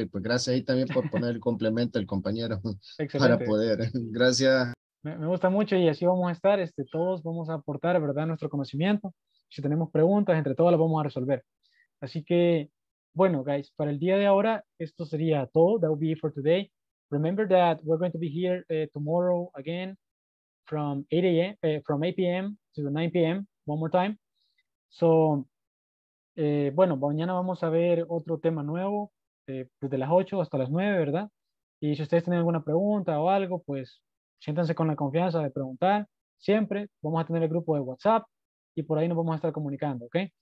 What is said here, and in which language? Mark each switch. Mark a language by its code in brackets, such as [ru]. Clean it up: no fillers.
[es] Y pues gracias ahí también por poner el complemento el compañero. Excelente. Para poder. Gracias. Me gusta mucho y así vamos a estar. Todos vamos a aportar, ¿verdad?, nuestro conocimiento. Si tenemos preguntas, entre todas las vamos a resolver. Así que... Bueno, guys, para el día de ahora, esto sería todo. [en] That will be it for today. Remember that we're going to be here tomorrow again from 8 p.m. to 9 p.m. one more time. [es] So, bueno, mañana vamos a ver otro tema nuevo desde las 8 hasta las 9, ¿verdad? Y si ustedes tienen alguna pregunta o algo, pues siéntanse con la confianza de preguntar. Siempre vamos a tener el grupo de WhatsApp y por ahí nos vamos a estar comunicando, ¿ok?